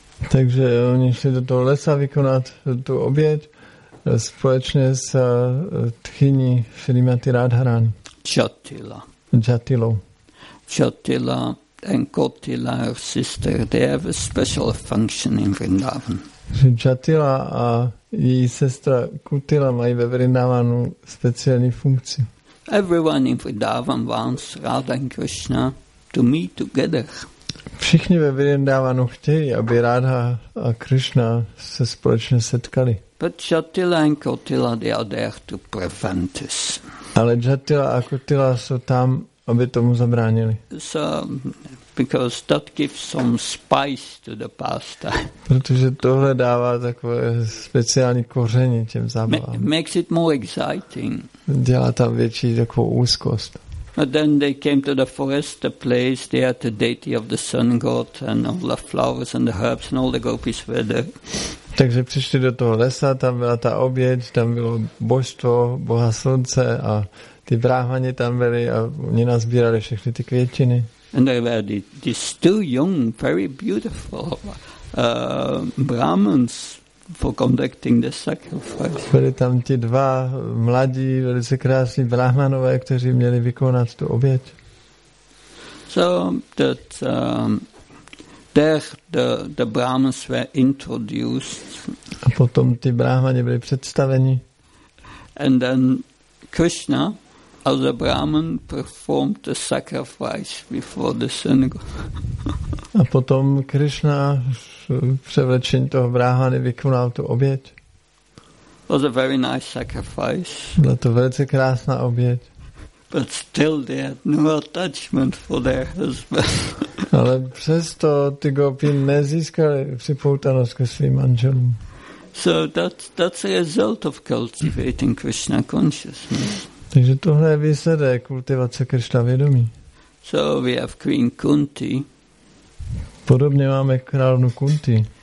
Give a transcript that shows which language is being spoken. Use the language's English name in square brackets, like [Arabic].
[Czech] Takže oni šli do toho lesa vykonat tu oběť společně s tchyní Srimati Radharani. [English] Jatila. Jatila and Kotila, her sister, they have a special function in Vrindavan. [Czech] Jatila a její sestra Kutila mají ve Vrindavanu speciální funkci. [English] Everyone in Vrindavan wants Radha and Krishna to meet together. [Czech] Všichni ve Vrindavanu chtějí, aby Radha a Krishna se společně setkali. [English] But Jatila and Kotila, they are there to prevent this. [Czech] Ale Jatila a Kutila jsou tam, aby tomu zabránili. [English] So, because that gives some spice to the pasta. [Czech] Protože tohle dává takové speciální koření těm zábavám. [English] Makes it more exciting. [Czech] Dělá tam větší takovou úzkost. [English] But then they came to the forest, the place, they had the deity of the sun god and all the flowers and the herbs and all the gopis were there. [Czech] Takže přišli do toho lesa, tam byla ta oběť, tam bylo božstvo, Boha slunce a ty bráhmani tam byli a oni nazbírali všechny ty květiny. [English] And there were these two young, very beautiful Brahmans for conducting the sacrifice. [Czech] Byli tam ti dva mladí, velice krásní brahmanové, kteří měli vykonat tu oběť. [English] So that the Brahmans were introduced. [Czech] A potom ti brahmani byli představeni. [English] And then Krishna as a Brahman performed the sacrifice before the sun god. [Czech] A potom Krishna převlečení toho bráhany vykonal tu oběť. [English] Was a very nice sacrifice. [Czech] Byla to velice krásná oběť. [English] But still they had no attachment for their husband. [Czech] Ale přesto ty gopi nezískali připoutanost ke svým manželům. [English] So that's a result of cultivating Krishna consciousness. [Czech] Takže tohle je výsledek kultivace Krishna vědomí. [English] So we have Queen Kunti. [Czech] Podobně máme královnu Kunti.